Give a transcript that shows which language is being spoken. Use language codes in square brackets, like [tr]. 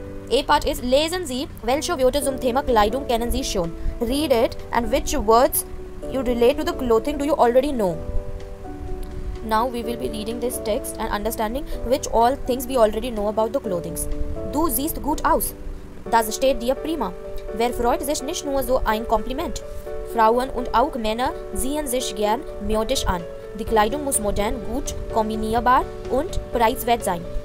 [en] A part is, [de] lesen Sie, welche Wörter zum Thema Kleidung kennen Sie schon? [en] Read it and which words you relate to the clothing do you already know? Now we will be reading this text and understanding which all things we already know about the clothings. [de] Du siehst gut aus. Das steht dir prima. Wer freut sich nicht nur so ein Kompliment? Frauen und auch Männer sehen sich gern modisch an. Die Kleidung muss modern, gut, kombinierbar und preiswert sein.